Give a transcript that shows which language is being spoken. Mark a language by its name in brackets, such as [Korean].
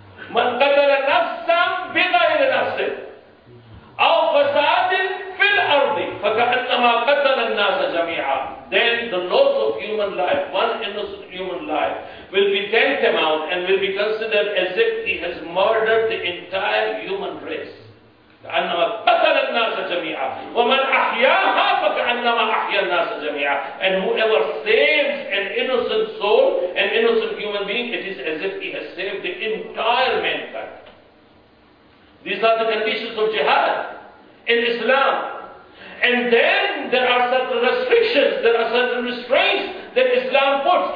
[Arabic] من قتل نفسا بغير نفس أو فساد في الأرض فكأنما قتل الناس جميعا. [English] Then the loss of human life, one innocent human life, will be tantamount and will be considered as if he has murdered the entire human race. [Arabic] كأنما قتل الناس جميعا ومن أحياها فكأنما أحيا الناس جميعا. [English] And whoever saves an innocent soul, an innocent human being, it is as if he has saved the entire mankind. These are the conditions of jihad in Islam. And then there are certain restrictions, there are certain restraints that Islam puts.